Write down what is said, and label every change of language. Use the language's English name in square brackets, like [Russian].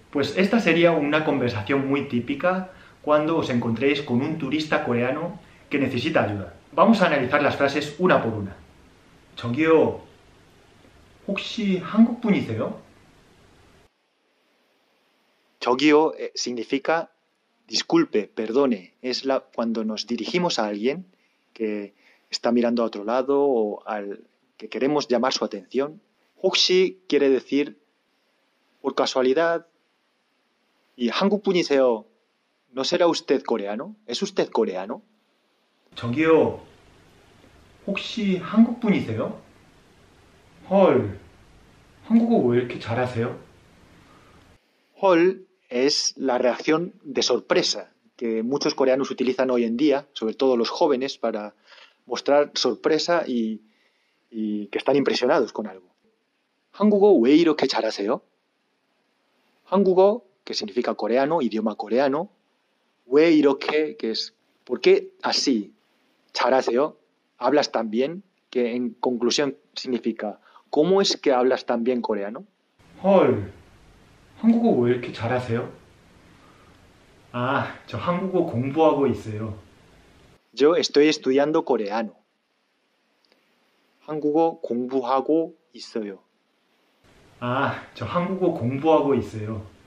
[Spanish] Pues esta sería una conversación muy típica cuando os encontréis con un turista coreano que necesita ayuda. Vamos a analizar las frases una por una. [Korean] 저기요, 혹시 한국 분이세요? 저기요 [Spanish] significa disculpe, perdone. Es cuando nos dirigimos a alguien que está mirando a otro lado o al que queremos llamar su atención. [Korean] 혹시 [Spanish] quiere decir por casualidad. Y [Korean] 한국분이세요, [Spanish] ¿no será usted coreano? ¿Es usted coreano? [Korean] 저기요, 혹시 한국 분이세요? 헐, 한국어 왜 이렇게 잘하세요? 헐 [Spanish] es la reacción de sorpresa que muchos coreanos utilizan hoy en día, sobre todo los jóvenes, para mostrar sorpresa y que están impresionados con algo. [Korean] 한국어 왜 이렇게 잘하세요? 한국어, [Spanish] que significa coreano, idioma coreano, [Korean] 왜 이렇게, [Spanish] que es ¿por qué así? [Korean] 잘하세요, [Spanish] hablas tan bien, que en conclusión significa ¿cómo es que hablas tan bien coreano? [Korean] 헐, 한국어 왜 이렇게 잘하세요? 아, 저 한국어 공부하고 있어요. [Spanish] Yo estoy estudiando coreano. [Korean] 한국어 공부하고 있어요. 아, 저 한국어 공부하고 있어요.